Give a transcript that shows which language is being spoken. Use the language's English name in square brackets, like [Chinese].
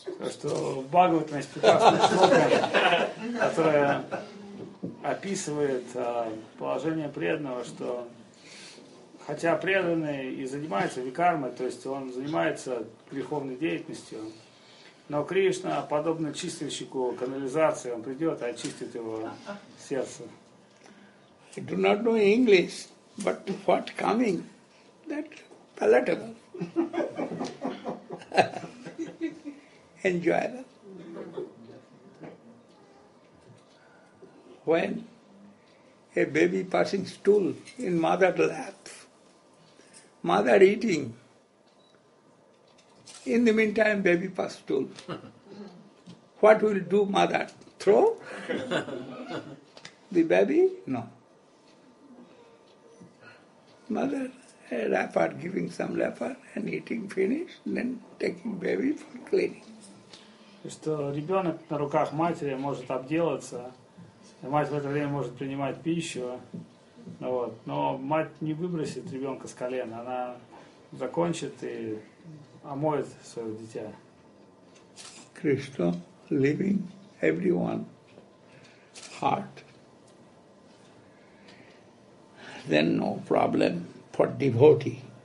[Russian] Что Бхагават есть прекрасный слоган, который описывает положение преданного, что хотя преданный и занимается викармой, то есть он занимается греховной деятельностью, но Кришна, подобно чистильщику канализации, он придет и очистит его сердце. [English] I do not know English, but what coming, that palatable. Enjoy them. When a baby passing stool in mother's lap, mother eating, in the meantime baby pass stool, what will do mother? Throw the baby? No. Mother a wrapper, giving some wrapper and eating finish, then taking baby for cleaning. [Russian] Что ребенок на руках матери может обделаться, и мать в это время может принимать пищу, вот. Но мать не выбросит ребенка с колена, она закончит и омоет свое дитя. [English] Кришна living everyone heart, then no problem for devotee.